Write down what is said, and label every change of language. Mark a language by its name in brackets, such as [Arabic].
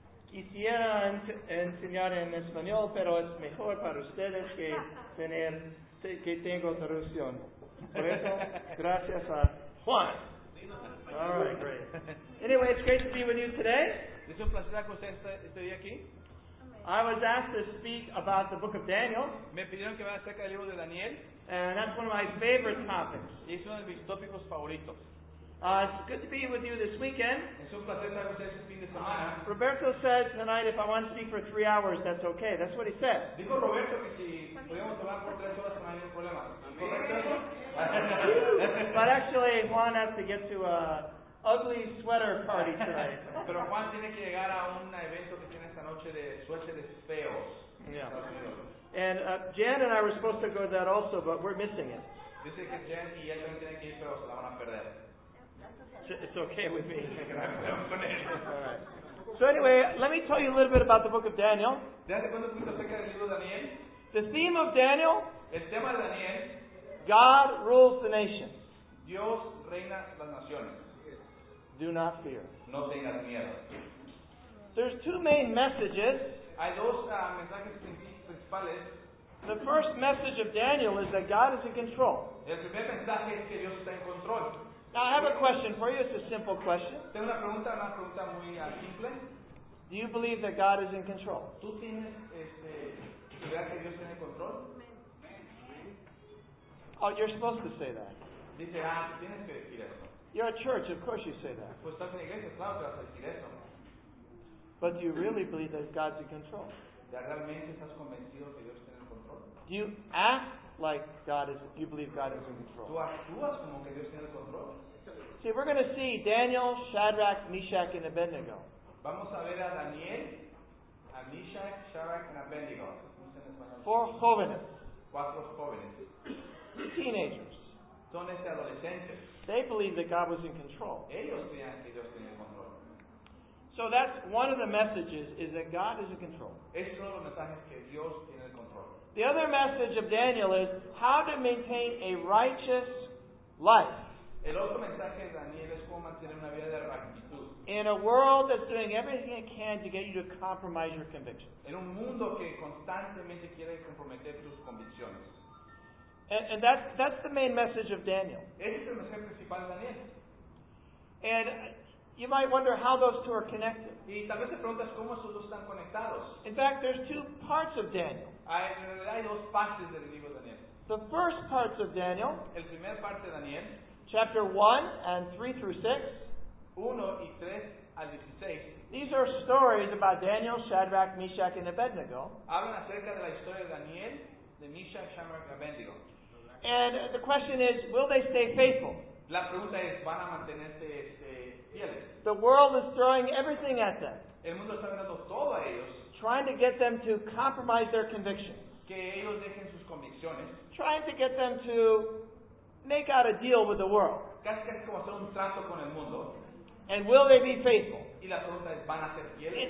[Spanish] quisiera enseñar en español, pero es mejor para ustedes que tener que tengo traducción. Por eso, gracias a Juan. [English] All right, great. Anyway, it's great to be with you today. [Spanish] Es un placer que usted esté aquí. [English] I was asked to speak about the book of Daniel. [Spanish] Me pidieron que hablara acerca del libro de Daniel. [English] And that's one of my favorite topics. [Spanish] Y es uno de mis tópicos favoritos. [English] It's good to be with you this weekend. [Spanish] Es un placer estar con ustedes este fin de semana. [English] Roberto said tonight, if I want to speak for 3 hours, that's okay. That's what he said. [Spanish] Dijo Roberto que si podíamos hablar por 3 horas, no hay problema. ¿Correcto? [English] But actually, Juan has to get to a ugly sweater party tonight. [Spanish] Pero Juan tiene que llegar a un evento que tiene esta noche de suéteres feos. [English] Yeah. And Jan and I were supposed to go to that also, but we're missing it. [Spanish] Dice que Jan y ella tienen que ir, pero se la van a perder. [English] It's okay with me. All right. So anyway, let me tell you a little bit about the book of Daniel. The theme of Daniel, [Spanish] el tema de Daniel, [English] God rules the nations. [Spanish] Dios reina las naciones. [English] Do not fear. [Spanish] No tengas miedo. [English] There's two main messages. [Spanish] Hay dos mensajes principales. [English] The first message of Daniel is that God is in control. [Spanish] El primer mensaje es que Dios está en control. [English] I have a question for you. It's a simple question. [Spanish] Tengo una pregunta muy simple. [English] Do you believe that God is in control? [Spanish] ¿Tú que Dios tiene control? [English] Oh, you're supposed to say that. [Spanish] Dice, tienes que decir eso. [English] You're a church, of course you say that. [Spanish] Pues estás en iglesia, claro, te vas a decir eso. [English] But do you really believe that God's in control? [Spanish] ¿Ya realmente estás convencido que Dios tiene control? [English] Do you act like God is, you believe God is in control? [Spanish] ¿Tú actúas como que Dios tiene control? [English] See, we're going to see Daniel, Shadrach, Meshach, and Abednego. [Spanish] Vamos a ver a Daniel, a Meshach, Shadrach, and Abednego. [English] Four jóvenes. [Spanish] Cuatro jóvenes. [English] Teenagers. [Spanish] Son estos adolescentes. [English] They believed that God was in control. [Spanish] Ellos creían que Dios tenía control. [English] So that's one of the messages, is that God is in control. [Spanish] Es uno de los mensajes que Dios tiene el control. [English] The other message of Daniel is how to maintain a righteous life. [Spanish] El otro mensaje de Daniel es cómo mantener una vida de rectitud. [English] In a world that's doing everything it can to get you to compromise your convictions. [Spanish] En un mundo que constantemente quiere comprometer tus convicciones. [English] And that's the main message of Daniel. [Spanish] Ese es el mensaje principal de Daniel. [English] And you might wonder how those two are connected. [Spanish] Y tal vez te preguntas cómo esos dos están conectados. [English] In fact, there's two parts of Daniel. [Spanish] Hay dos partes del libro de Daniel. [English] The first parts of Daniel. [Spanish] El primer parte de Daniel. [English] Chapter 1 and 3 through 6. [Spanish] 1 y 3 al 16. [English] These are stories about Daniel, Shadrach, Meshach, and Abednego. [Spanish] Hablan acerca de la historia de Daniel, de Meshach, Shadrach, and Abednego. [English] And the question is, will they stay faithful? [Spanish] La pregunta es, ¿van a mantenerse fieles? [English] The world is throwing everything at them. [Spanish] El mundo está dando todo a ellos. [English] Trying to get them to compromise their convictions. [Spanish] Que ellos dejen sus convicciones. [English] Trying to get them to make out a deal with the world. [Spanish] Casi como hacer un trato con el mundo. [English] And will they be faithful? [Spanish] Y la pregunta es, ¿van a ser fieles?